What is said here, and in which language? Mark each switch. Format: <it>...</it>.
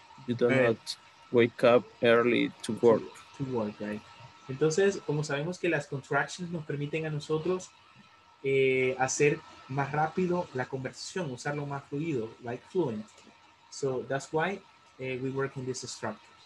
<en>You do not wake up early to work. To work, right.</en> <es>Entonces, como sabemos que las contractions nos permiten a nosotros hacer más rápido la conversación, usarlo más fluido,</es> <en>like fluent. So that's why we work in these structures.</en>